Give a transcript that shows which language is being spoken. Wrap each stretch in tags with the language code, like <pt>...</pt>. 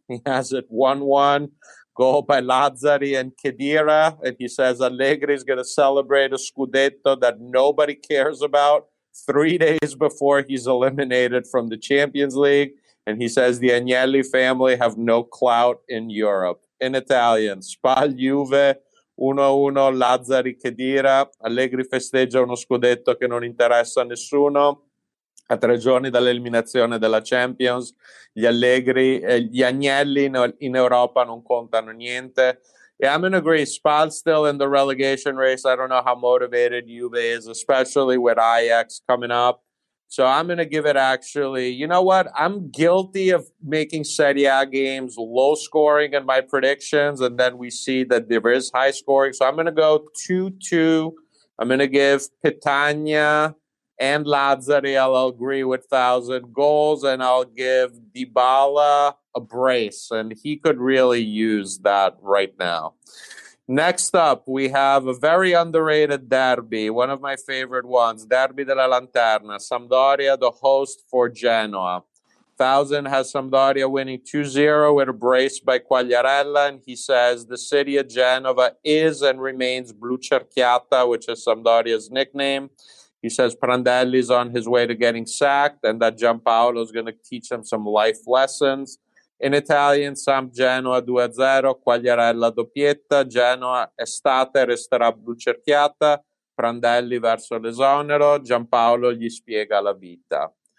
<en>He has it 1-1. Goal by Lazzari and Khedira. And he says Allegri is going to celebrate a Scudetto that nobody cares about 3 days before he's eliminated from the Champions League. And he says the Agnelli family have no clout in Europe. In Italian, Spal Juve 1-1, Lazzari Khedira.</en> <it>Allegri festeggia uno Scudetto che non interessa a nessuno. A tre giorni dall'eliminazione della Champions, gli Agnelli in Europa non contano niente.</it> <en>Yeah, I'm going to agree. Spal still in the relegation race. I don't know how motivated Juve is, especially with Ajax coming up. So I'm going to give it actually. You know what? I'm guilty of making Serie A games low scoring in my predictions, and then we see that there is high scoring. So I'm going to go 2-2. I'm going to give Petagna and Lazzari, I'll agree with 1,000 goals, and I'll give Dybala a brace, and he could really use that right now. Next up, we have a very underrated derby, one of my favorite ones, Derby della Lanterna, Sampdoria, the host for Genoa. 1,000 has Sampdoria winning 2-0 with a brace by Quagliarella, and he says the city of Genova is and remains Blu Cerchiata, which is Sampdoria's nickname. He says Prandelli's on his way to getting sacked and that Giampaolo is going to teach him some life lessons. In Italian,</en> <it>Samp Genoa 2-0, Quagliarella doppietta, Genoa estate resterà blucerchiata, Prandelli verso l'esonero, Giampaolo gli spiega la vita.</it>